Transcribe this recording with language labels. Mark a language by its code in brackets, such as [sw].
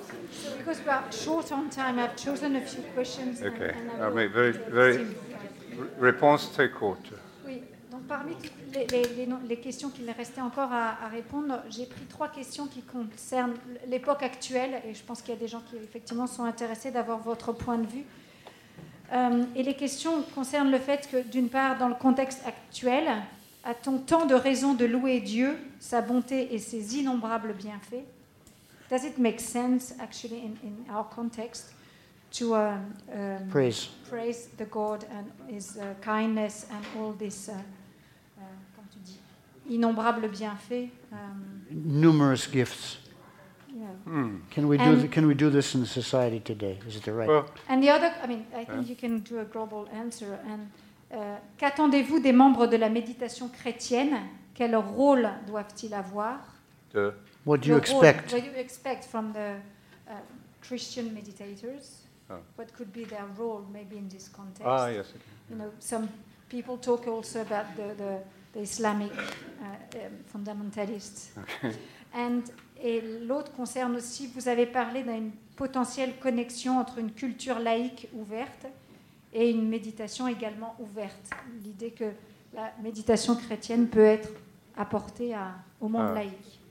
[en] So because we're short on time, I've chosen a few questions. Okay, I'll make very, very... [fr] réponse très courte. Oui, donc parmi les questions qu'il restait encore à répondre, j'ai pris trois questions qui concernent l'époque actuelle, et je pense qu'il y a des gens qui, effectivement, sont intéressés d'avoir votre point de vue. Et les questions concernent le fait que, d'une part, dans le contexte actuel, a-t-on tant de raisons de louer Dieu, sa bonté et ses innombrables bienfaits? [en] Does it make sense, actually, in our context, to praise the God and his kindness and all this, [fr] comme tu dis, innombrables bienfaits? [en] Numerous gifts. Yeah. Mm. Can we do this in society today? Is it the right? Well, and the other, I mean, I think you can do a global answer and. [fr] Qu'attendez-vous des membres de la méditation chrétienne? Quel rôle doivent-ils avoir? [en] What do you expect from the Christian meditators? Oh. What could be their role, maybe in this context? Ah, yes. Okay. You know, some people talk also about the Islamic fundamentalists. Okay. [fr] Et l'autre concerne aussi. Vous avez parlé d'une potentielle connexion entre une culture laïque ouverte. Et une méditation également ouverte. L'idée que la méditation chrétienne peut être apportée au monde laïque.